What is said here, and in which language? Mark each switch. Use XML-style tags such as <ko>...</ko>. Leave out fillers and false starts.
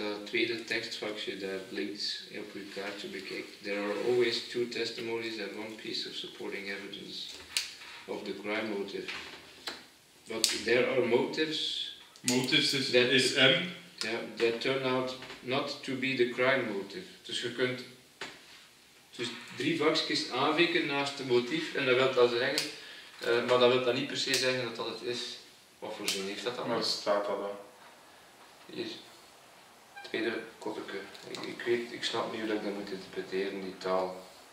<nl>Tweede tekstvakje dat links op je kaartje bekijkt.</nl> <en>There are always 2 testimonies and 1 piece of supporting evidence of the crime motive. But there are motives. Motives is, that, is M. Yeah, that turn out not to be the crime motive.</en> <nl>Dus je kunt dus 3 vakjes aanvinken naast de motief en dat wil dat zeggen, maar dat wil dat niet per se zeggen dat dat het is. Wat voor zin heeft dat dan? Waar staat dat dan? Hier. Tweede koppelke. Ik snap niet hoe ik dat moet interpreteren, die taal.</nl>